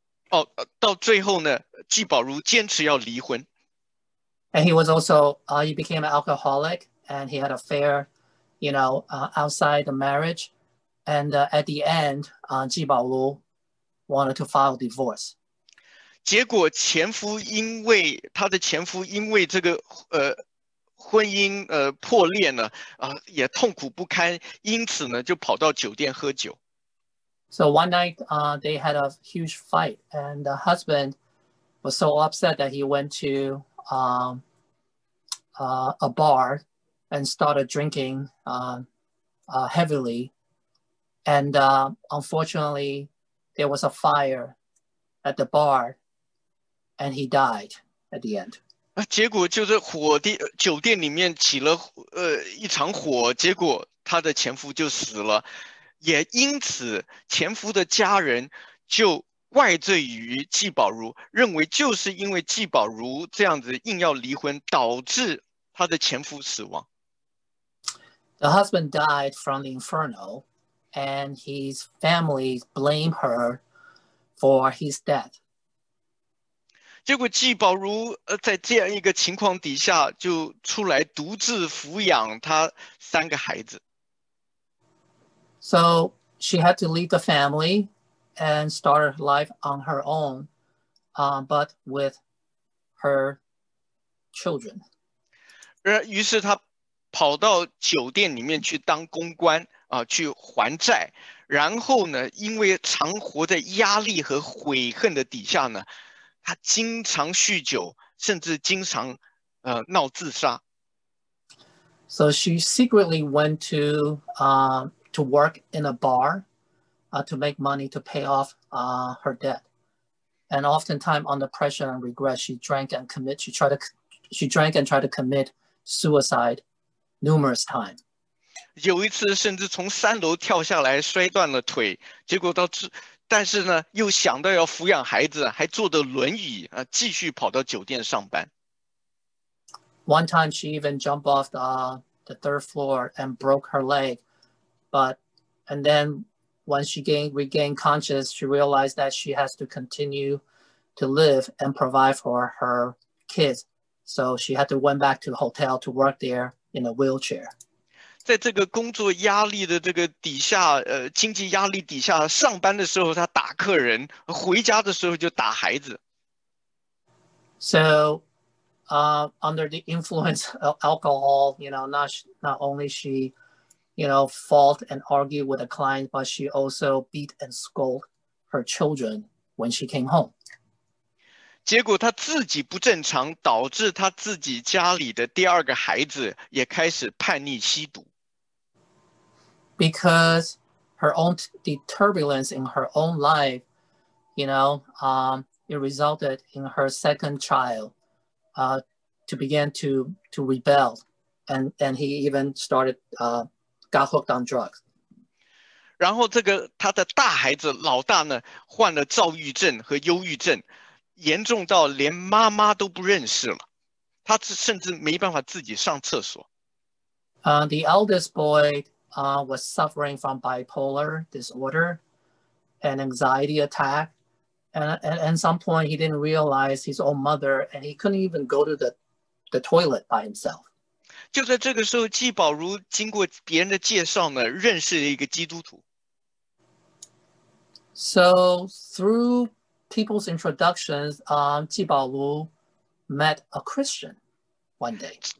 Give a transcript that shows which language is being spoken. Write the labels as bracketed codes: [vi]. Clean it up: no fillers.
[zh] oh, 到最后呢，纪宝如坚持要离婚。 [en] And he was also he became an alcoholic, and he had an affair, you know, outside the marriage, and at the end, 纪宝如 wanted to file divorce. [zh] 结果前夫因为他的前夫因为这个婚姻破裂呢，也痛苦不堪，因此呢就跑到酒店喝酒。 [en] So one night, they had a huge fight, and the husband was so upset that he went to a bar and started drinking heavily. And unfortunately, there was a fire at the bar, and he died at the end. [zh] 结果就是酒店里面起了一场火，结果他的前夫就死了，也因此前夫的家人就怪罪于纪宝如，认为就是因为纪宝如这样子硬要离婚，导致他的前夫死亡。 [en] The husband died from the inferno, and his family blamed her for his death. [zh] 结果纪宝如在这样一个情况底下就出来独自抚养他三个孩子。 [en] So she had to leave the family and start life on her own, but with her children. [zh] 于是他跑到酒店里面去当公关去还债。然后呢，因为常活在压力和悔恨的底下呢，他经常酗酒，甚至经常闹自杀。 [en] So she secretly went to work in a bar to make money to pay off her debt. And oftentimes under pressure and regret, she drank and tried to commit suicide numerous times. [zh] 有一次甚至从三楼跳下来摔断了腿，结果但是呢，又想到要抚养孩子，还坐着轮椅继续跑到酒店上班。 [en] One time she even jumped off the third floor and broke her leg, and then when she regained conscious, she realized that she has to continue to live and provide for her kids, so she had to went back to the hotel to work there in a wheelchair. [zh] 在这个工作压力的这个底下，经济压力底下，上班的时候他打客人，回家的时候就打孩子。 [en] So, under the influence of alcohol, you know, not only she, you know, fought and argued with a client, but she also beat and scold her children when she came home. [zh] 结果他自己不正常，导致他自己家里的第二个孩子也开始叛逆吸毒。 [en] Because her own the turbulence in her own life, you know, it resulted in her second child to begin to rebel and he even started got hooked on drugs. [zh] 然后这个他的大孩子老大呢，患了躁郁症和忧郁症，严重到连妈妈都不认识了，他甚至没办法自己上厕所。 [en] The eldest boy was suffering from bipolar disorder, an anxiety attack. And at some point, he didn't realize his own mother, and he couldn't even go to the toilet by himself. [zh] 就在这个时候，纪宝如经过别人的介绍呢，认识了一个基督徒。 [en] So through people's introductions, 纪宝如 met a Christian one day.